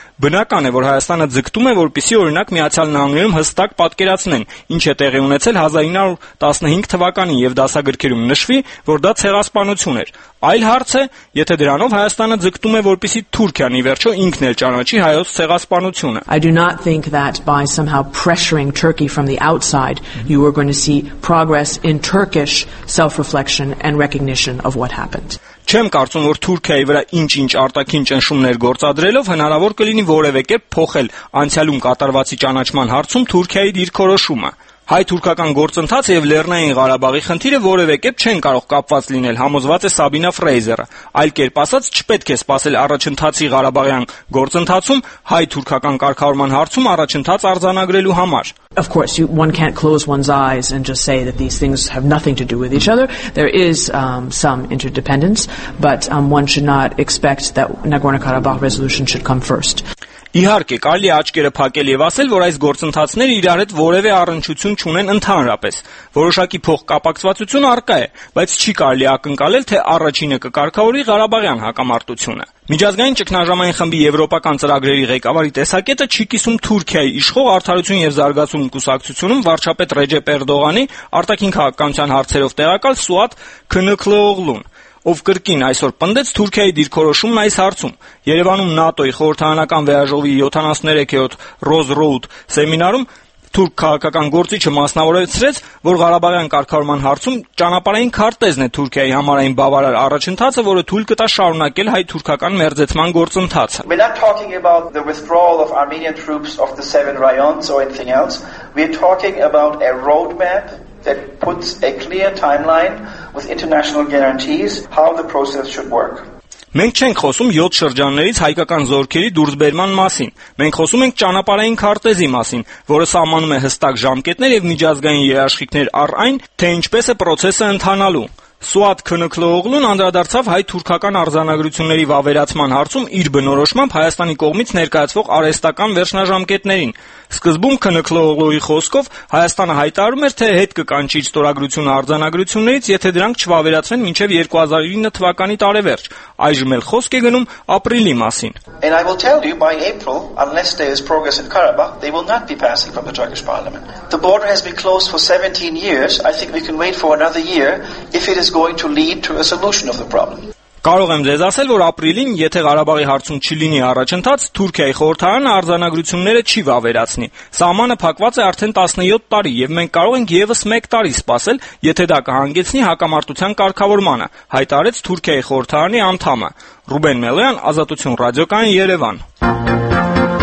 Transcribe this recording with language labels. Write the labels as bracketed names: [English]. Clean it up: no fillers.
[Armenian] բնական է, որ Հայաստանը ձգտում է, որպեսզի օրինակ Միացյալ Նահանգներում հստակ պատկերացնեն, ինչ է տեղի ունեցել 1915 թվականին եւ դասագրքերում նշվի, որ դա ցեղասպանություն էր։ Այլ հարց է, եթե դրանով Հայաստանը ձգտում է, որպեսզի Թուրքիան ի վերջո ինքն էլ ճանաչի հայոց ցեղասպանությունը։ [English] I do not think that by somehow pressuring Turkey from the outside you are going to see progress in Turkish self-reflection and recognition of what happened. [Armenian] Չեմ կարծում, որ Թուրքիայի վրա ինչ-ինչ արտաքին ճնշումներ գործադրելով հնարավոր կլինի որևէ կերպ փոխել անցյալում կատարվածի ճանաչման հարցում Թուրքիայի դիրքորոշումը։ Հայ-թուրքական գործընթացը եւ Լեռնային Ղարաբաղի խնդիրը որևէ կերպ չեն կարող կապված լինել, համոզված է Սաբինա Ֆրեյզերը։ Այլ կերպ ասած, չպետք է սпасել առաջընթացի Ղարաբաղյան գործընթացում հայ-թուրքական կարգավորման հարցում առաջընթաց արձանագրելու համար։ [English] Of course, one can't close one's eyes and just say that these things have nothing to do with each other. There is some interdependence, but one should not expect that Nagorno-Karabakh resolution should come first. [Armenian] Իհարկե, կարելի աչքերը փակել եւ ասել, որ այս գործընթացները իրար հետ որևէ առնչություն չունեն ընդհանրապես։ Որոշակի փող կապակցվածություն առկա է, բայց չի կարելի ակնկալել, թե առաջինը կկարգավորի Ղարաբաղյան հակամարտությունը։ Միջազգային ճգնաժամային խմբի եվրոպական ծրագրերի ղեկավարի տեսակետը չի կիսում Թուրքիայի իշխող արդարություն և զարգացում կուսակցությունում վարչապետ Ռեջեփ Էրդողանի արտաքին քաղաքականության հարցերով տեղակալ Սուադ Քնըքլեոգլուն, ով կրկին այսօր պնդեց Թուրքիայի դիրքորոշումն այս հարցում։ Երևանում ՆԱՏՕ-ի խորհրդարանական վեհաժողովի 73-րդ Ռոզ-Ռոուդ սեմինարում Թուրք քաղաքական գործիչը մասնավորեցրեց, որ Ղարաբաղյան կարգավորման հարցում ճանապարհային քարտեզն է Թուրքիայի համար այն բավարար առաջընթացը, որը թույլ կտա շարունակել հայ-թուրքական մերձեցման գործընթացը։ [English] We're not talking about the withdrawal of Armenian troops of the seven rayons or anything else. We're talking about a roadmap that puts a clear timeline with international guarantees how the process should work. [Armenian] Մենք չենք խոսում 7 շրջաններից հայկական զորքերի դուրսբերման մասին։ Մենք խոսում ենք ճանապարհային քարտեզի մասին, որը սահմանում է հստակ ժամկետներ եւ միջազգային երաշխիքներ առ այն, թե ինչպես է պրոցեսը ընթանալու։ Սուադ Քնըքլեոգլուն անդրադարձավ հայ-թուրքական արձանագրությունների վավերացման հարցում իր բնորոշմամբ Հայաստանի կողմից ներկայացվող արհեստական վերջնաժամկետներին։ Սկզբում Քնըքլեոգլուի խոսքով Հայաստանը հայտարարում էր, թե հետ կկանչի իր ստորագրությունը արձանագրություններից, եթե դրանք չվավերացվեն մինչև 2009 թվականի տարեվերջ։ Այժմ էլ խոսք է գնում ապրիլի մասին։ [English] And I will tell you by April, unless there is progress in Karabakh, they will not be passing from the Turkish parliament. The border has been closed for 17 years. I think we can wait for another year if it is going to lead to a solution of the problem. [Armenian] Կարող եմ ձեզ ասել, որ ապրիլին, եթե Ղարաբաղի հարցում չլինի առաջընթաց, Թուրքիայի խորհրդարանը արձանագրությունները չի վավերացնի։ Սահմանը փակված է արդեն 17 տարի, եւ մենք կարող ենք եւս 1 տարի սպասել, եթե դա կհանգեցնի հակամարտության կարգավորմանը, հայտարարեց Թուրքիայի խորհրդարանի անդամը։ Ռուբեն Մելոյան, Ազատություն ռադիոկայան, Երևան։